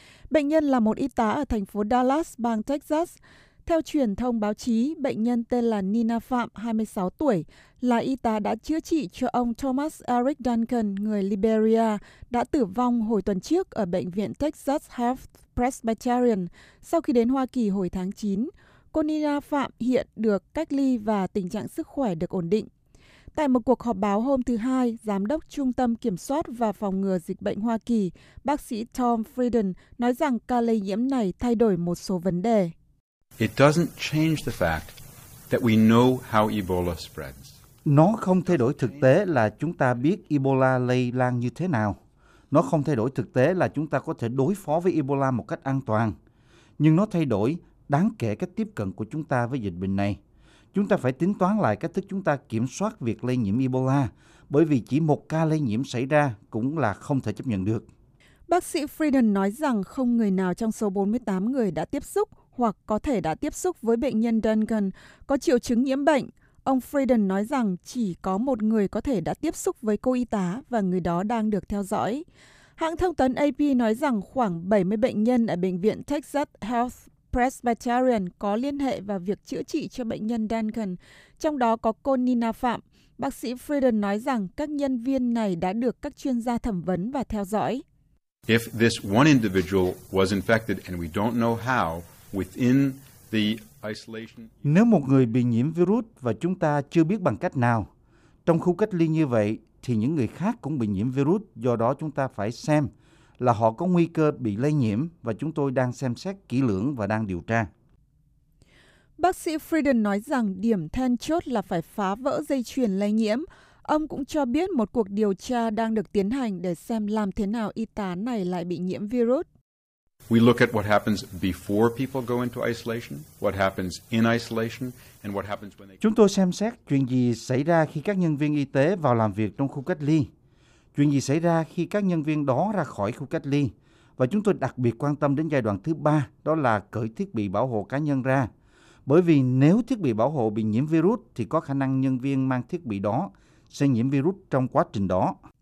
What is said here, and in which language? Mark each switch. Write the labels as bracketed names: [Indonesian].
[Vietnamese] Bệnh nhân là một y tá ở thành phố Dallas, bang Texas. Theo truyền thông báo chí, bệnh nhân tên là Nina Phạm, 26 tuổi, là y tá đã chữa trị cho ông Thomas Eric Duncan, người Liberia, đã tử vong hồi tuần trước ở Bệnh viện Texas Health Presbyterian sau khi đến Hoa Kỳ hồi tháng 9. Cô Nina Phạm hiện được cách ly và tình trạng sức khỏe được ổn định. Tại một cuộc họp báo hôm thứ Hai, Giám đốc Trung tâm Kiểm soát và Phòng ngừa Dịch bệnh Hoa Kỳ, bác sĩ Tom Frieden nói rằng ca lây nhiễm này thay đổi một số vấn đề. [English] It doesn't change the fact that we know how Ebola spreads. [Vietnamese] Nó không thay đổi thực tế là chúng ta biết Ebola lây lan như thế nào. Nó không thay đổi thực tế là chúng ta có thể đối phó với Ebola một cách an toàn. Nhưng nó thay đổi đáng kể cách tiếp cận của chúng ta với dịch bệnh này. Chúng ta phải tính toán lại cách thức chúng ta kiểm soát việc lây nhiễm Ebola, bởi vì chỉ một ca lây nhiễm xảy ra cũng là không thể chấp nhận được. Bác sĩ Frieden nói rằng không người nào trong số 48 người đã tiếp xúc hoặc có thể đã tiếp xúc với bệnh nhân Duncan có triệu chứng nhiễm bệnh. Ông Frieden nói rằng chỉ có một người có thể đã tiếp xúc với cô y tá và người đó đang được theo dõi. Hãng thông tấn AP nói rằng khoảng 70 bệnh nhân ở Bệnh viện Texas Health Presbyterian có liên hệ vào việc chữa trị cho bệnh nhân Duncan, trong đó có cô Nina Phạm. Bác sĩ Frieden nói rằng các nhân viên này đã được các chuyên gia thẩm vấn và theo dõi. [English] If this one individual was infected and we don't know how, within the isolation. [Vietnamese] Nếu một người bị nhiễm virus và chúng ta chưa biết bằng cách nào, trong khu cách ly như vậy thì những người khác cũng bị nhiễm virus, do đó chúng ta phải xem là họ có nguy cơ bị lây nhiễm và chúng tôi đang xem xét kỹ lưỡng và đang điều tra. Bác sĩ Frieden nói rằng điểm then chốt là phải phá vỡ dây chuyền lây nhiễm. Ông cũng cho biết một cuộc điều tra đang được tiến hành để xem làm thế nào y tá này lại bị nhiễm virus. [English] We look at what happens before people go into isolation, what happens in isolation, and what happens when they. [Vietnamese] Chúng tôi xem xét chuyện gì xảy ra khi các nhân viên y tế vào làm việc trong khu cách ly, chuyện gì xảy ra khi các nhân viên đó ra khỏi khu cách ly, và chúng tôi đặc biệt quan tâm đến giai đoạn thứ ba, đó là cởi thiết bị bảo hộ cá nhân ra, bởi vì nếu thiết bị bảo hộ bị nhiễm virus thì có khả năng nhân viên mang thiết bị đó sẽ nhiễm virus trong quá trình đó.